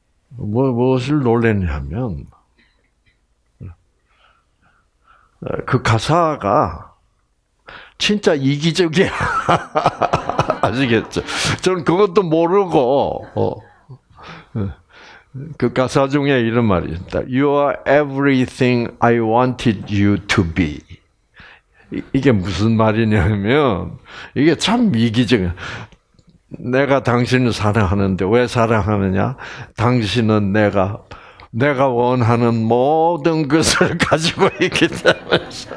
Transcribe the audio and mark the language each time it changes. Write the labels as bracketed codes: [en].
[ko] 무엇을 놀랐냐면 그 가사가 진짜 이기적이야. 아시겠죠? 저는 그것도 모르고 그 가사 중에 이런 말이 있다. [en] You are everything I wanted you to be. [ko] 이게 무슨 말이냐면 이게 참 이기적이야. 내가 당신을 사랑하는데 왜 사랑하느냐? 당신은 내가 원하는 모든 것을 가지고 있기 때문에.